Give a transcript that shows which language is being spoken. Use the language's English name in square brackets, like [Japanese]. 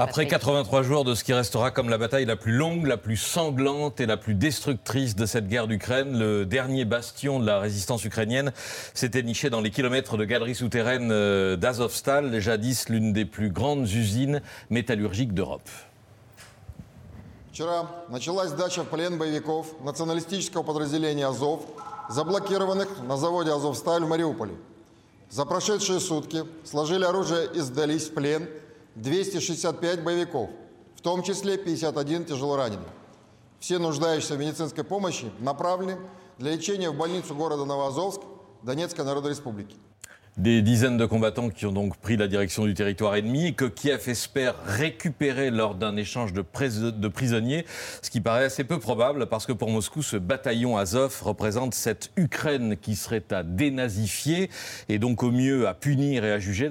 [French] Après 83 jours de ce qui restera comme la bataille la plus longue, la plus sanglante et la plus destructrice de cette guerre d'Ukraine, le dernier bastion de la résistance ukrainienne s'était niché dans les kilomètres de galeries souterraines d'Azovstal, jadis l'une des plus grandes usines métallurgiques d'Europe. [Russian] Вчера началась сдача в плен бойцов националистического подразделения Азов. Заблокированных на заводе «Азовсталь» в Мариуполе. За прошедшие сутки сложили оружие и сдались в плен 265 боевиков, в том числе 51 тяжелораненый. Все нуждающиеся в медицинской помощи направлены для лечения в больницу города Новоазовск Донецкой Народной Республики. [French] des dizaines de combattants qui ont donc pris la direction du territoire ennemi et que Kiev espère récupérer lors d'un échange de prisonniers, ce qui paraît assez peu probable parce que pour Moscou, ce bataillon Azov représente cette Ukraine qui serait à dénazifier et donc au mieux à punir et à juger.